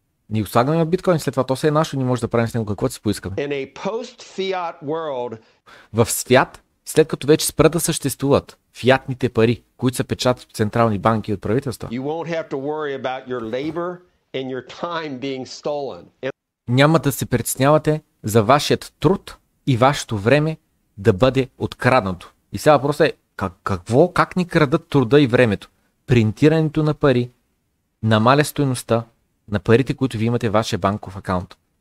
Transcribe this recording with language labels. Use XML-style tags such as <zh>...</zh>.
<bg>Ние слагаме биткоин, след това то се е нашо, ние може да правим с него каквото си поискаме.</bg> <en>In a post-fiat world,</en> <bg>в свят, след като вече спра да съществуват фиатните пари, които се печатат в централни банки от правителства,</bg> <en>you won't have to worry about your labor and your time being stolen.</en> <bg>Няма да се притеснявате за вашият труд и вашето време да бъде откраднато. И сега въпросът е, какво, как ни крадат труда и времето? Принтирането на пари намаля стойността на парите, които ви имате в вашия банков акаунт.</bg>